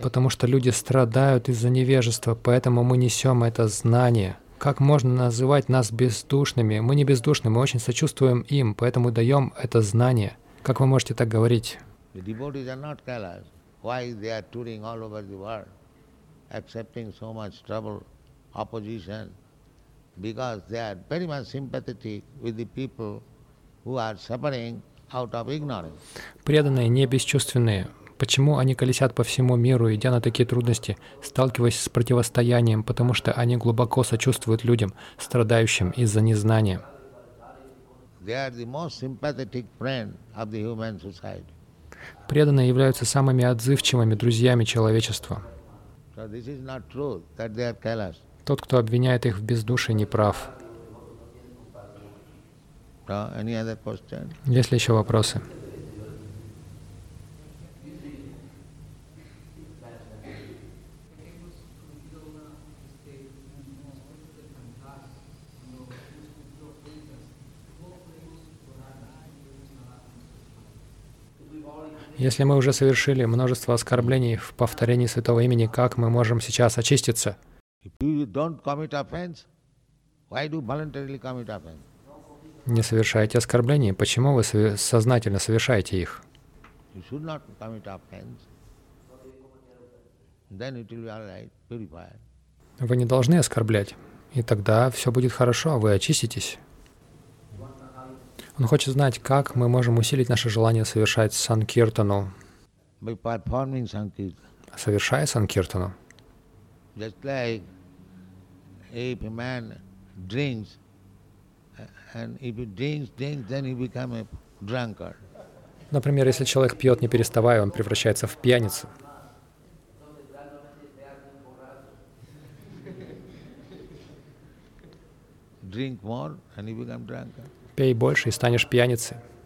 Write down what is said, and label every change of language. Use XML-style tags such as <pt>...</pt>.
<ru>Потому что люди страдают из-за невежества, поэтому мы несем это знание. Как можно называть нас бездушными? Мы не бездушны, мы очень сочувствуем им, поэтому даем это знание. Как вы можете так говорить?</ru> <en>The devotees are not callous. Why they are touring all over the world? accepting so much trouble, opposition, because they are very much sympathetic with the people who are suffering out of ignorance.</en> <ru>Преданные не бесчувственные. Почему они колесят по всему миру, идя на такие трудности, сталкиваясь с противостоянием, потому что они глубоко сочувствуют людям, страдающим из-за незнания.</ru> <en>They are the most sympathetic friend of the human society.</en> <ru>Преданные являются самыми отзывчивыми друзьями человечества.</ru> <en>So this is not true, that they are callous.</en> <ru>Тот, кто обвиняет их в бездушии, не прав.</ru> <en>So, any other question?</en> <ru>Есть ли еще вопросы? Если мы уже совершили множество оскорблений в повторении Святого Имени, как мы можем сейчас очиститься? Не совершаете оскорблений, почему вы сознательно совершаете их? Вы не должны оскорблять, и тогда все будет хорошо, вы очиститесь. Он хочет знать, как мы можем усилить наше желание совершать санкиртану. Совершая санкиртану.</ru> <en>Just like if a man drinks, and if he drinks, then he becomes a drunkard.</en> <ru>Например, если человек пьет не переставая, он превращается в пьяницу. Drink more, and he becomes drunkard. Пей больше и станешь пьяницей.</ru>